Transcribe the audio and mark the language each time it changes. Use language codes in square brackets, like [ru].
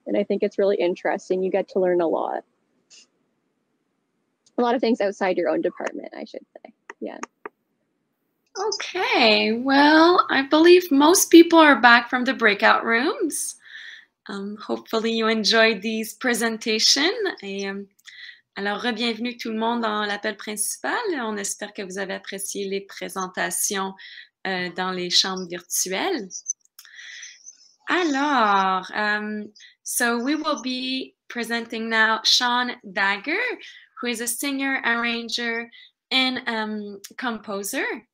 [en] And I think it's really interesting. You get to learn a lot of things outside your own department, I should say. Yeah. Okay. Well, I believe most people are back from the breakout rooms. Hopefully you enjoyed this presentation. I [fr] Alors, re-bienvenue tout le monde dans l'appel principal. On espère que vous avez apprécié les présentations dans les chambres virtuelles. [en] Alors, so we will be presenting now Seán Dagher, who is a singer, arranger, and composer.